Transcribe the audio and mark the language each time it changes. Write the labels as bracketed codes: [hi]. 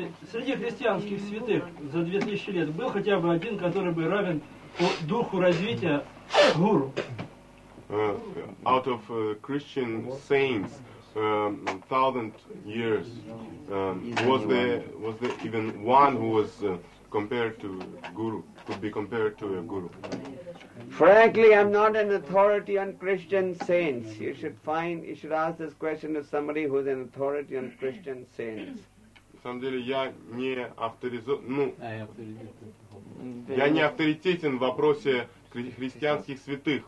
[ru] Среди христианских святых за 2000 лет был хотя бы один, который бы равен по духу развития гуру? [en] Out of Christian saints, 1,000 years, was there even one who was compared to guru? Could be compared to a guru. Frankly, I'm not an authority on Christian saints. You should ask this question to somebody who's an authority on Christian saints. [ru] На самом деле я не авторитетен в вопросе христианских святых.